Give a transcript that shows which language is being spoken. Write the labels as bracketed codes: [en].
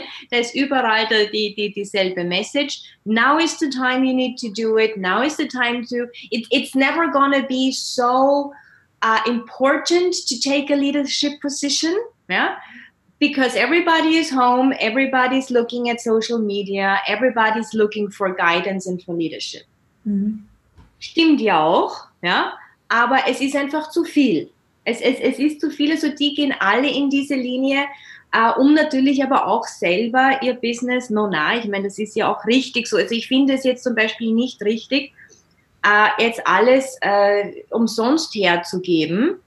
[de] Da ist überall dieselbe Message. [en] Now is the time you need to do it. Now is the time to... It's never gonna be so important to take a leadership position. Yeah? Because everybody is home. Everybody's looking at social media. Everybody's looking for guidance and for leadership. [de] Mm-hmm. Stimmt ja auch. Ja? Aber es ist einfach zu viel. Es ist zu viel. Also die gehen alle in diese Linie. Um natürlich aber auch selber ihr Business, ich meine, das ist ja auch richtig so. Also ich finde es jetzt zum Beispiel nicht richtig, jetzt alles umsonst herzugeben.